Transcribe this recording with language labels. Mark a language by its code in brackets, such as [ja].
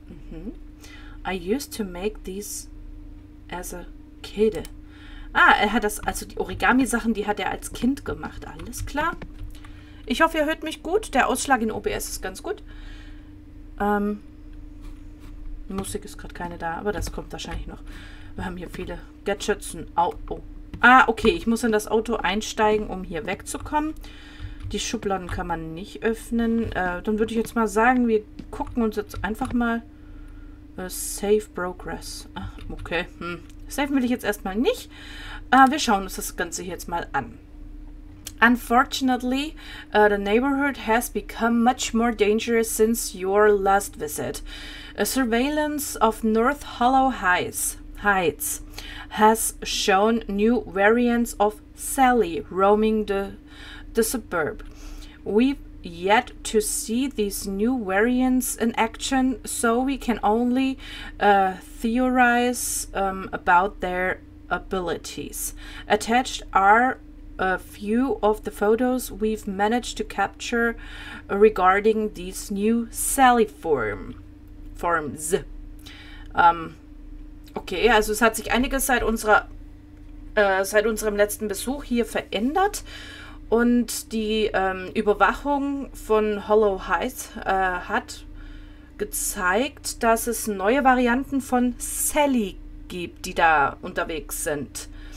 [en] Mhm. I used to make these as a kid. [de] Ah, er hat das... also die Origami-Sachen, die hat er als Kind gemacht. Alles klar. Ich hoffe, ihr hört mich gut. Der Ausschlag in OBS ist ganz gut. Musik ist gerade keine da, aber das kommt wahrscheinlich noch. Wir haben hier viele Gadgets. Oh, oh. Ah, okay. Ich muss in das Auto einsteigen, um hier wegzukommen. Die Schubladen kann man nicht öffnen. Dann würde ich jetzt mal sagen, wir gucken uns jetzt einfach mal. Save Progress. Ach, okay. Hm. Save will ich jetzt erstmal nicht. Wir schauen uns das Ganze jetzt mal an. [en] Unfortunately, the neighborhood has become much more dangerous since your last visit. A surveillance of North Hollow Heights has shown new variants of Sally roaming the suburb. We've yet to see these new variants in action, so we can only theorize about their abilities. Attached are a few of the photos we've managed to capture regarding these new Sally forms. [de] Okay, also es hat sich einiges seit unserem letzten Besuch hier verändert. Und die Überwachung von Hollow Heights hat gezeigt, dass es neue Varianten von Sally gibt, die da unterwegs sind.